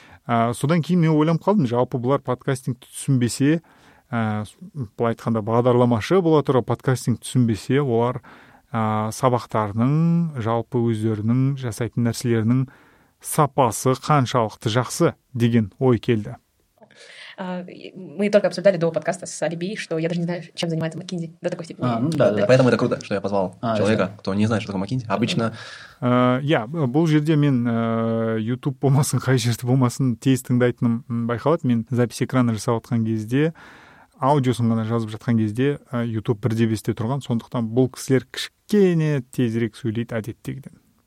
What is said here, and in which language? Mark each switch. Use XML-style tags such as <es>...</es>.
<kk>Содан кейін мен ойлам қалдым, жалпы бұлар подкастингті түсінбесе, былай айтқанда бағдарламашы бола тұра подкастинг түсінбесе, олар сабақтарының, жалпы өздерінің жасайтын нәрселерінің сапасы қаншалықты жақсы деген ой келді.</kk> <ru>Мы только обсуждали до подкаста с Алиби, что я даже не знаю, чем занимается McKinsey до такой степени. Да, поэтому это круто, что я позвал человека, кто не знает, что такое McKinsey. Обычно</ru> <kk>бұл жерде мен YouTube болмасын, қай жерде болмасын, тез тыңдайтыным байқалады. Мен</kk> <ru>запись экрана</ru> <kk>жасап отқан кезде, аудиосын ғана жазып жатқан кезде YouTube 1:5-те тұрған, сондықтан бұл кісілер кішкене тезірек сөйлейді әдеттегіден.</kk>